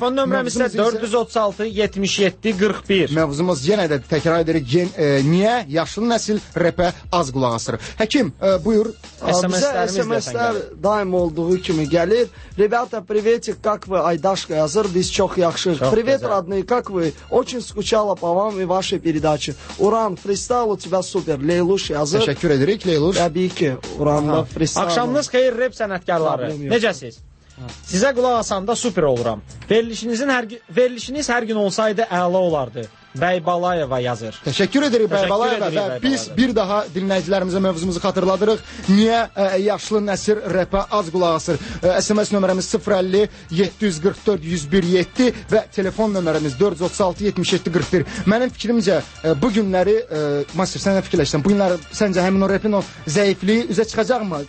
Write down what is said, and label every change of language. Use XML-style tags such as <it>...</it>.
<az>Telefon nömrəmiz isə 436-77-41. Mövzumuz yenə də təkrar edirik. Niyə yaşlı nəsil rəpə az qulaq asır? Həkim, buyur. SMS-lər daim olduğu kimi gəlir.</az> <ru>Ребята, приветик, как вы?</ru> <az>Айдашка yazır, biz çox yaxşıq.</az> <ru>Привет, родные, как вы? Очень скучала по вам и вашей передаче. Уран, фристайл у тебя супер.</ru> <az>Лейлуш yazır. Təşəkkür edirik, Лейлуш. Təbii ki, Уранда фристайл. Axşamınız xeyir, rep sənətkarları. Necəsiz? Sizə qulaq asanda super oluram. Verilişiniz hər gün olsaydı əla olardı. Bəybalayeva yazır. Təşəkkür edirik Bəybalayeva və biz bir daha dinləyicilərimizə mövzumuzu xatırladırıq. Niyə yaşlı nəsir rəpə az qulaq asır? SMS nömrəmiz 050-744-1017 və telefon nömrəmiz 436-77-41. Mənim fikrimcə bu günləri, Master sənə fikirləşsən, bu günləri səncə həmin o rəpin o zəifliyi üzə çıxacaqmı?</az>